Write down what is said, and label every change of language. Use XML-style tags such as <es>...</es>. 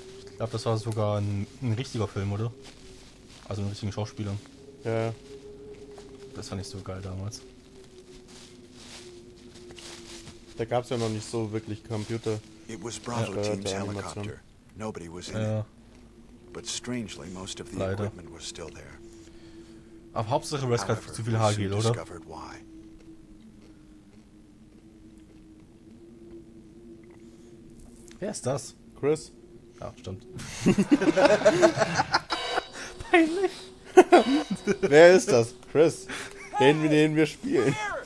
<de>Ich glaube, das war sogar ein richtiger Film, oder? Also ein richtiger Schauspieler. Ja. Das fand ich so geil damals. Da gab es ja noch nicht so wirklich Computer.</de> <en>It was Bravo Team's helicopter. Nobody was in it. But strangely, most of the equipment was still there.</en> <de>Aber Hauptsache Rescue hat zu viel HG, oder? Wer ist das? Chris. Ja, stimmt. Peinlich. Wer ist das? Chris. Den wir spielen.</de>